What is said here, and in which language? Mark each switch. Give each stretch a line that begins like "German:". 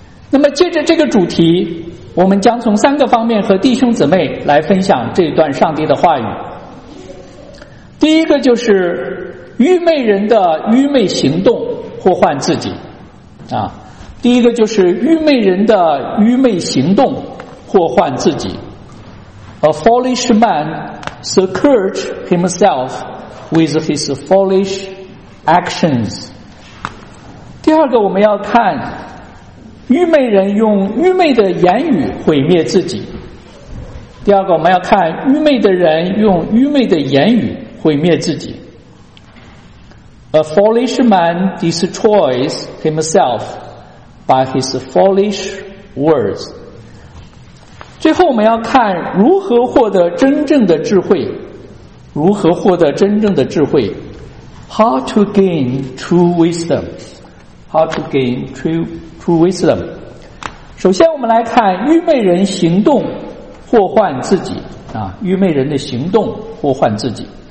Chinese: 那么借着这个主题，我们将从三个方面和弟兄姊妹来分享这段上帝的话语。第一个就是愚昧人的愚昧行动祸患自己啊。第一个就是愚昧人的愚昧行动祸患自己。
English: A foolish man secured himself with his foolish actions.
Chinese: 第二个我们要看愚昧人用愚昧的言语毁灭自己。第二个我们要看愚昧的人用愚昧的言语毁灭自己。
English: A foolish man destroys himself by his foolish words.
Chinese: 最后我们要看如何获得真正的智慧，如何获得真正的智慧，
English: How to gain true wisdom? How to gain true wisdom?
Chinese: 首先我们来看愚昧人行动祸患自己啊，愚昧人的行动祸患自己。